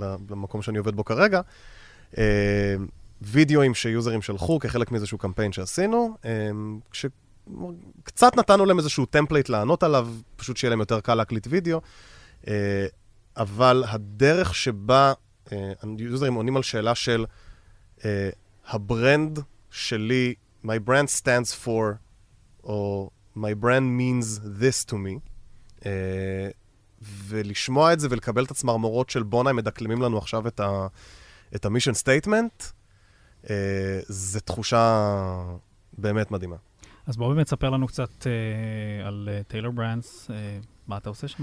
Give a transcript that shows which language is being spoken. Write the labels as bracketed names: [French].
[Hebrew] למקום שאני עובד בו כרגע, וידאוים שיוזרים שלחו כחלק מאיזשהו קמפיין שעשינו, כשקצת נתנו להם איזשהו טמפלייט לענות עליו, פשוט שיהיה להם יותר קל להקליט וידאו, אבל הדרך שבה יוזרים עונים על שאלה של הברנד שלי, [English] my brand stands for, [Hebrew] או... [English] My brand means this to me. [Hebrew] ולשמוע את זה ולקבל את הצמרמורות של בונה, הם מדקלמים לנו עכשיו את המישן סטייטמנט, זה תחושה באמת מדהימה. אז בואו באמת ספר לנו קצת על טיילור ברנדס. מה אתה עושה שם?